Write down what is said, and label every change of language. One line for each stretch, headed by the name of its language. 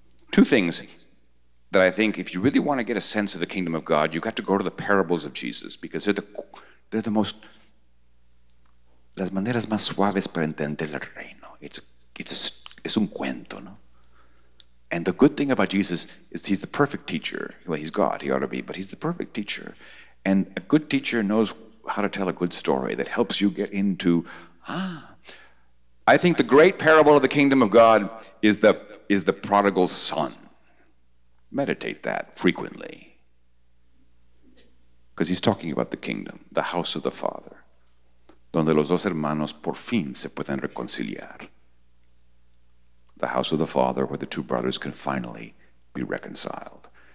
English: Two things that I think, if you really want to get a sense of the kingdom of God, you've got to go to the parables of Jesus, because they're the most...
Spanish: Las maneras más suaves para entender el reino. It's un cuento, no?
English: And the good thing about Jesus is he's the perfect teacher. Well, he's God, he ought to be, but he's the perfect teacher. And a good teacher knows how to tell a good story that helps you get into, I think the great parable of the kingdom of God is the prodigal son. Meditate that frequently. Because he's talking about the kingdom, the house of the Father.
Spanish: Donde los dos hermanos por fin se pueden reconciliar.
English: The house of the Father, where the two brothers can finally be reconciled.